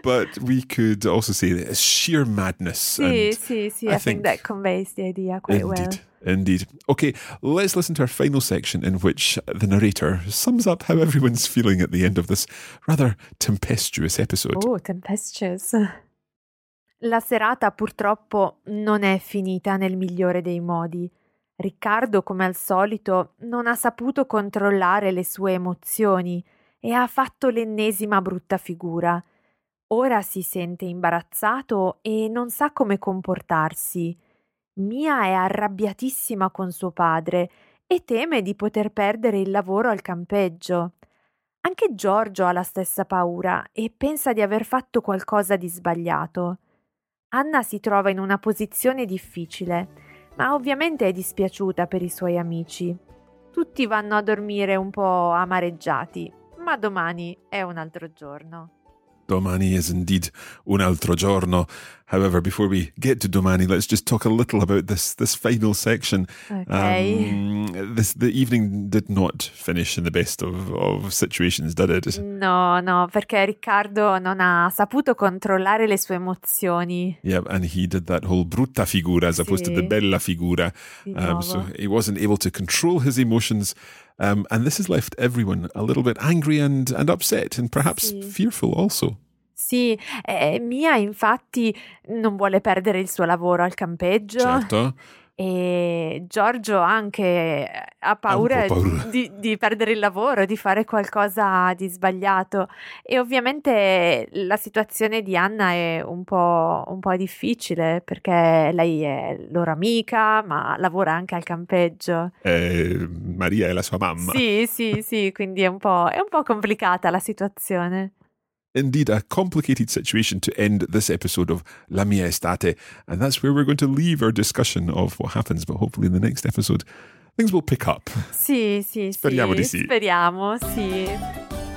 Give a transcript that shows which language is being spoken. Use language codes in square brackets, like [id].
[en] But we could also say that it's sheer madness. [it] Sì, and sì, sì. [en] I think that conveys the idea quite indeed, well. Indeed. Okay, let's listen to our final section in which the narrator sums up how everyone's feeling at the end of this rather tempestuous episode. Oh, tempestuous. [it] La serata purtroppo non è finita nel migliore dei modi. Riccardo, come al solito, non ha saputo controllare le sue emozioni e ha fatto l'ennesima brutta figura. Ora si sente imbarazzato e non sa come comportarsi. Mia è arrabbiatissima con suo padre e teme di poter perdere il lavoro al campeggio. Anche Giorgio ha la stessa paura e pensa di aver fatto qualcosa di sbagliato. Anna si trova in una posizione difficile, ma ovviamente è dispiaciuta per i suoi amici. Tutti vanno a dormire un po' amareggiati, ma domani è un altro giorno. Domani [en] is indeed [it] un altro giorno. [en] However, before we get to domani, let's just talk a little about this final section. Okay. The evening did not finish in the best of situations, did it? [it] No, no, perché Riccardo non ha saputo controllare le sue emozioni. [en] Yeah, and he did that whole [it] brutta figura [en] as opposed [it] sì, [en] to the [it] bella figura. [en] So he wasn't able to control his emotions. And this has left everyone a little bit angry and upset and perhaps [it] sì, [en] fearful also. [it] Sì, Mia infatti non vuole perdere il suo lavoro al campeggio. Certo. E Giorgio anche ha paura. Di perdere il lavoro, di fare qualcosa di sbagliato. E ovviamente la situazione di Anna è un po' difficile, perché lei è loro amica, ma lavora anche al campeggio. Maria è la sua mamma. Sì, sì, sì, quindi è un po' complicata la situazione. [en] Indeed, a complicated situation to end this episode of La Mia Estate. And that's where we're going to leave our discussion of what happens. But hopefully in the next episode, things will pick up. [it] Sì, sì, speriamo sì, di sì. Speriamo, sì.